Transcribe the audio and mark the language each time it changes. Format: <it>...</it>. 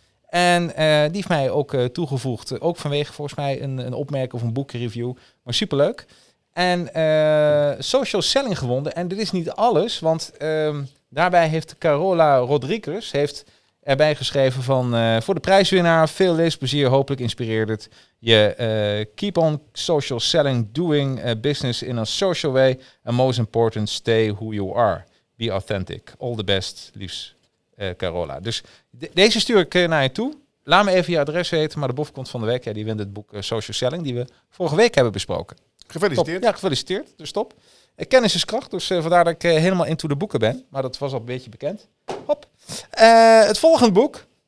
<nl>En die heeft mij ook toegevoegd, ook vanwege volgens mij een opmerking of een boekreview. Maar superleuk. En social selling gewonnen. En dit is niet alles, want daarbij heeft Carola Rodriguez erbij geschreven van... voor de prijswinnaar, veel lees, plezier, hopelijk inspireert het.</nl> <en>Je keep on social selling, doing business in a social way. And most important, stay who you are. Be authentic. All the best, liefst. Carola.</en> <nl>Dus deze stuur ik naar je toe. Laat me even je adres weten, maar de bofkont van de week, ja, die wint het boek Social Selling, die we vorige week hebben besproken. Gefeliciteerd. Top. Ja, gefeliciteerd. Dus top. Kennis is kracht, dus vandaar dat ik helemaal into de boeken ben. Maar dat was al een beetje bekend. Hop. Het volgende boek.</nl>